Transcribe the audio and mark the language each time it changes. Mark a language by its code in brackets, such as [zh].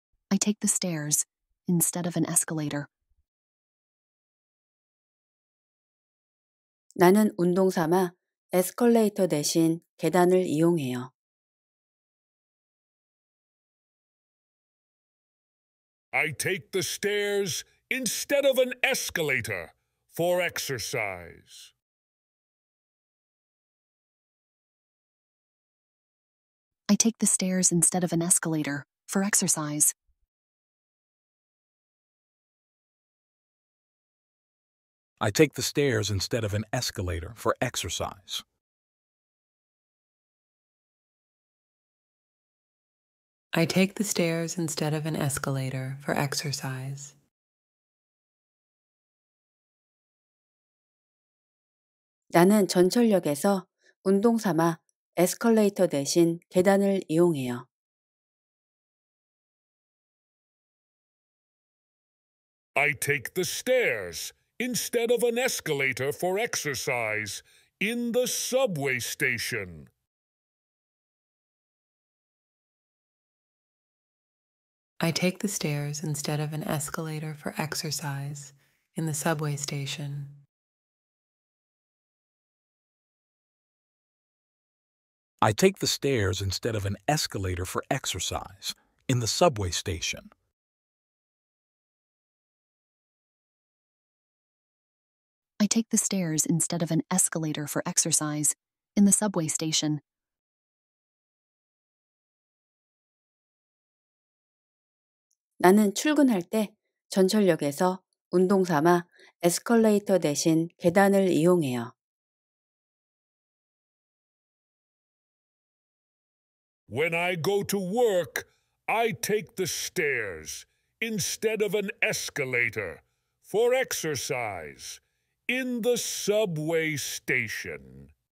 [en] I take the stairs instead of an escalator. [ko] 나는 운동 삼아 에스컬레이터 대신 계단을 이용해요. [en] I take the stairs instead of an escalator for exercise. I take the stairs instead of an escalator for exercise. I take the stairs instead of an escalator for exercise. I take the stairs instead of an escalator for exercise. I take the stairs instead of an escalator for exercise. [ko] 나는 전철역에서 운동 삼아 에스컬레이터 대신 계단을 이용해요. [en] I take the stairs instead of an escalator for exercise in the subway station. I take the stairs instead of an escalator for exercise in the subway station. I take the stairs instead of an escalator for exercise in the subway station. I take the stairs instead of an escalator for exercise in the subway station. I take the stairs instead of an escalator for exercise in the subway station. [ko] 나는 출근할 때 전철역에서 운동 삼아 에스컬레이터 대신 계단을 이용해요. [en] When I go to work, I take the stairs instead of an escalator for exercise in the subway station.